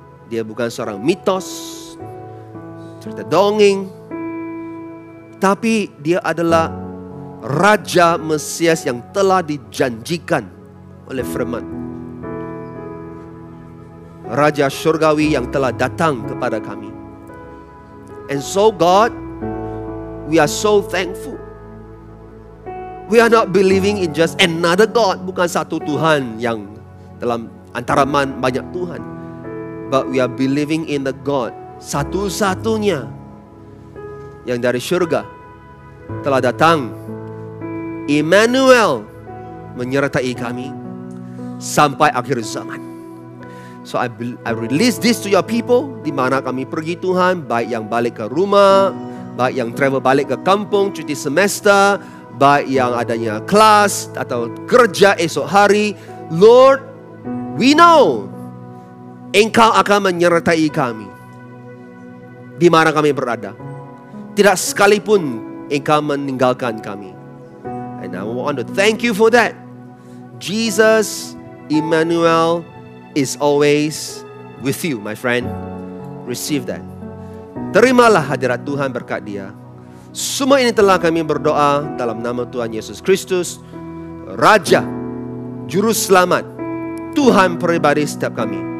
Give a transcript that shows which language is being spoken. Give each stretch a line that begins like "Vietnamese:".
Malay: Dia bukan seorang mitos, cerita dongeng, tapi dia adalah Raja Mesias yang telah dijanjikan oleh firman. Raja Syurgawi yang telah datang kepada kami.
English: And so God, we are so thankful. We are not believing in just another God,
Malay: bukan satu Tuhan yang dalam antara banyak Tuhan.
English: But we are believing in the God,
Malay: satu-satunya yang dari syurga telah datang. Emmanuel menyertai kami sampai akhir zaman.
English: So I release this to your people,
Malay: di mana kami pergi Tuhan, baik yang balik ke rumah, baik yang travel balik ke kampung, cuti semester, baik yang adanya kelas atau kerja esok hari.
English: Lord, we know
Malay: Engkau akan menyertai kami di mana kami berada. Tidak sekalipun Engkau meninggalkan kami.
English: And I want to thank you for that. Jesus, Emmanuel is always with you, my friend. Receive that.
Malay: Terimalah hadirat Tuhan, berkat dia. Semua ini telah kami berdoa dalam nama Tuhan Yesus Kristus, Raja, Juru Selamat, Tuhan pribadi setiap kami.